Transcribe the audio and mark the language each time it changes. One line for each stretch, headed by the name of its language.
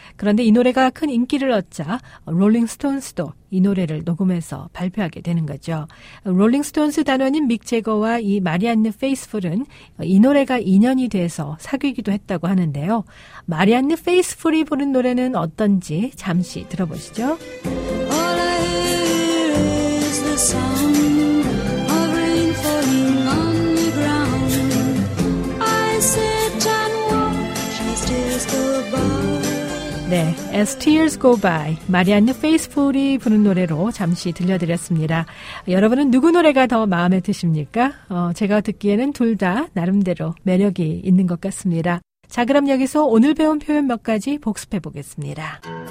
Korean: 그런데 이 노래가 큰 인기를 얻자 롤링스톤즈도 이 노래를 녹음해서 발표하게 되는 거죠. 롤링스톤즈 단원인 믹 재거와 이 마리안느 페이스풀은 이 노래가 인연이 돼서 사귀기도 했다고 하는데요. 마리안느 페이스풀이 부른 노래는 어떤지 잠시 들어보시죠.
English: All I hear is the sound of rain falling on the ground. I sit and watch as tears go by.
Korean: 네, As Tears Go By, 마리안느 페이스풀이 부른 노래로 잠시 들려드렸습니다. 여러분은 누구 노래가 더 마음에 드십니까? 제가 듣기에는 둘 다 나름대로 매력이 있는 것 같습니다. 자, 그럼 여기서 오늘 배운 표현 몇 가지 복습해 보겠습니다.